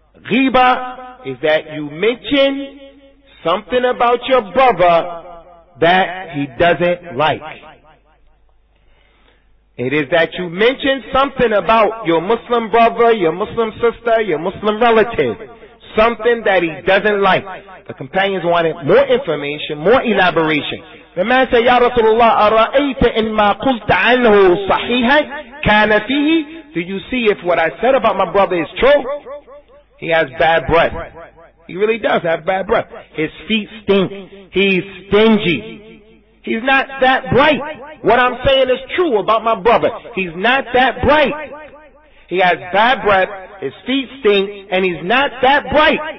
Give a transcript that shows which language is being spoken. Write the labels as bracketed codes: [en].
[en] Ghiba is that you mention something about your brother that he doesn't like. It is that you mention something about your Muslim brother, your Muslim sister, your Muslim relative. Something that he doesn't like. The companions wanted more information, more elaboration. The man said, Ya Rasulullah, [ar] أَرَأَيْتَ إِن مَا قُلْتَ عَنْهُ صَحِيحًا كَانَ فِيهِ. [en] Do you see if what I said about my brother is true? He has bad breath. He really does have bad breath. His feet stink. He's stingy. He's not that bright. What I'm saying is true about my brother. He's not that bright. He has bad breath, his feet stink, and he's not that bright.